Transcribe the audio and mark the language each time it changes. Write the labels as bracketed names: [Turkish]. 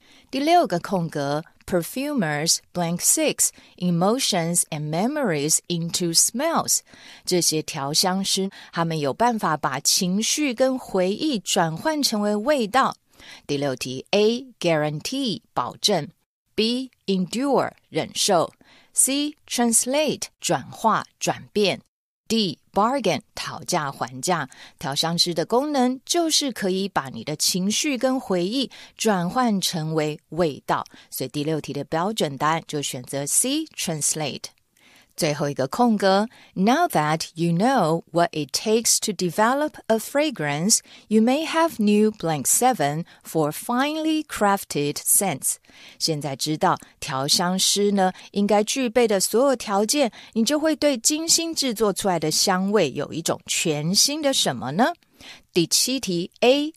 [Chinese] 第六个空格 [English] perfumers blank six emotions and memories into smells [Chinese] 这些调香师他们有办法把情绪跟回忆转换成为味道第六题 A guarantee 保证 B endure 忍受C. Translate, 转化、转变 D. Bargain, 讨价还价调香师的功能就是可以把你的情绪跟回忆转换成为味道所以第六题的标准答案就选择 C. [English] Translate [Chinese] 最后一个空格 [English] Now that you know what it takes to develop a fragrance, you may have new blank seven for finely crafted scents. [Chinese] 现在知道调香师呢应该具备的所有条件你就会对精心制作出来的香味有一种全新的什么呢第七题 A.